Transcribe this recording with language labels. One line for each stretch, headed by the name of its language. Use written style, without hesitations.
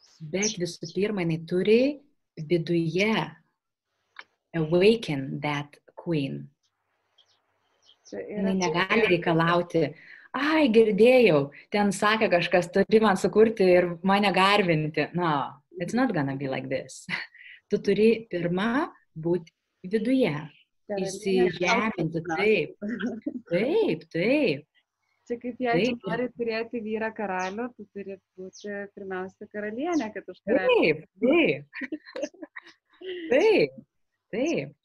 Lithuanian: Bet visų pirma, jinai turi viduje
English: awaken that queen.
Lithuanian: Jinai negali reikalauti, ai, girdėjau, ten sakė kažkas, turi man sukurti ir mane garbinti.
English: No, it's not gonna be like this.
Lithuanian: Tu turi pirma būti viduje. Įsižeminti, taip. Taip, taip. Čia kaip jeigu nori turėti vyrą karalių, tu turi būti pirmiausia karalienė, kad už karalių.